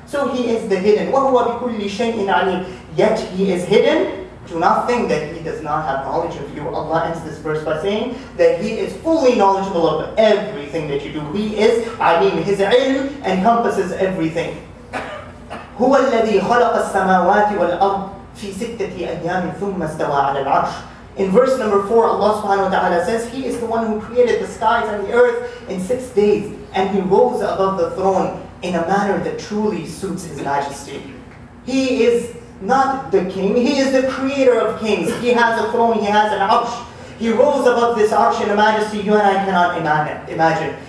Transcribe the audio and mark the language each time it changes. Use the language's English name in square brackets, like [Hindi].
[English] So He is the hidden. [Arabic] وَهُوَ بِكُلِّ شَيْءٍ عَلِيمٍ. [English] Yet He is hidden. Do not think that He does not have knowledge of you. Allah ends this verse by saying that He is fully knowledgeable of everything that you do. He is alim. His ilm encompasses everything. [Arabic] هو الذي خلق السماوات والأرض في ستة أيام ثم استوى على العرش. [English] In verse number 4, Allah subhanahu wa ta'ala says, He is the one who created the skies and the earth in 6 days, and He rose above the throne in a manner that truly suits His majesty. He is not the king, He is the creator of kings. He has a throne, He has an arsh. He rose above this arsh in a majesty you and I cannot imagine.